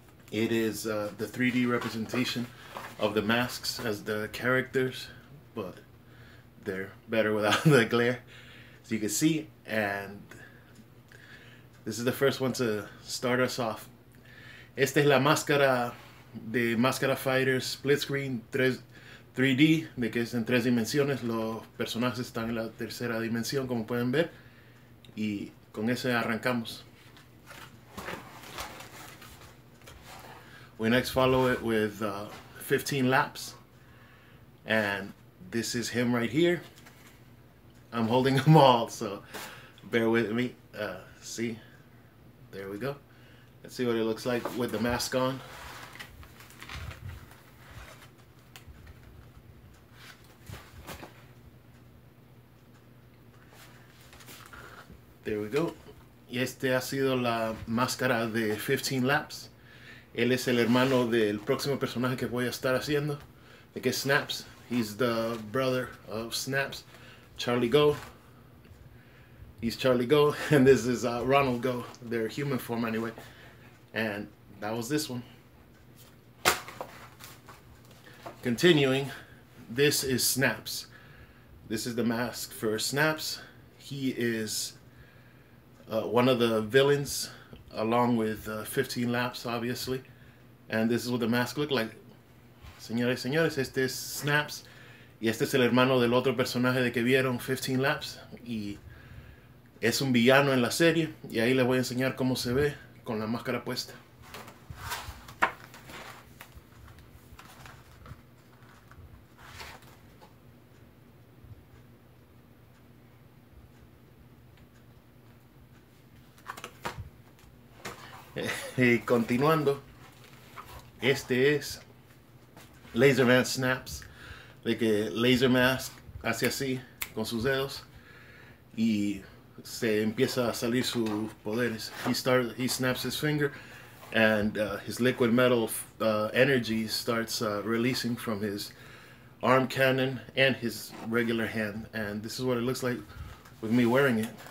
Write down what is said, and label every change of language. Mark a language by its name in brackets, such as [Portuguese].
[English] It is the 3D representation of the masks as the characters, but they're better without the glare, as you can see. And this is the first one to start us off. [Spanish] Esta es la máscara de Mascara Fighters split screen 3D, de que es en tres dimensiones. Los personajes están en la tercera dimensión, como pueden ver, y con eso arrancamos. [English] We next follow it with 15 laps, and this is him right here. I'm holding them all, so bear with me. See, there we go. Let's see what it looks like with the mask on. There we go. [Spanish] Y este ha sido la máscara de 15 laps. Él es el hermano del próximo personaje que voy a estar haciendo, de que es Snaps. [English] He's the brother of Snaps, Charlie Go. He's Charlie Go, and this is Ronald Go. They're human form anyway. And that was this one. Continuing, this is Snaps. This is the mask for Snaps. He is one of the villains, along with 15 laps, obviously. And this is what the mask looked like. [Spanish] Señores, señores, este es Snaps. Y este es el hermano del otro personaje de que vieron, 15 laps. Y es un villano en la serie. Y ahí les voy a enseñar cómo se ve con la máscara puesta. Y continuando, este es Laser Man Snaps, de que Laser Mask hace así con sus dedos y se empieza a salir sus poderes. [English] He snaps his finger and his liquid metal energy starts releasing from his arm cannon and his regular hand. And this is what it looks like with me wearing it.